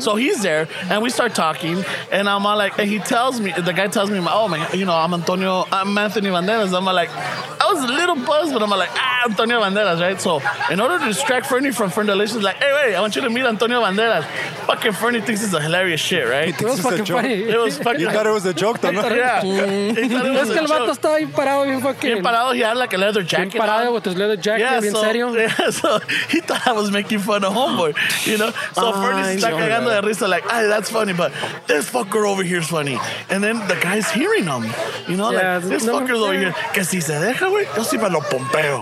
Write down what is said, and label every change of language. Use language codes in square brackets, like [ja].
[en] So he's there, and we start talking, and I'm all like, and he tells me, the guy tells me, oh man, you know, I'm Anthony Banderas. I'm like, I was a little buzzed, but I'm like, Antonio Banderas, right? So in order to distract Fernie from Fern Delicious, like, hey, wait, I want you to meet Antonio Banderas. Fucking Fernie thinks it's a hilarious shit, right? It was fucking funny. It was fucking. You thought it was a joke, though, no? Yeah. [es] Es que el vato estaba bien parado, bien fucking. Bien parado, [en] he had like a leather jacket. [es] Bien parado, [en] with his leather jacket, yeah, [es] bien serio. [en] Yeah, so he thought I was making fun of homeboy, you know? So Fernie's [es] está cagando de risa, [en] like, ay, that's funny, but this fucker over here is funny. And then the guy's hearing him, you know? Yeah, like, this fucker's over here. [es] Que si se deja, güey, yo si me lo pompeo.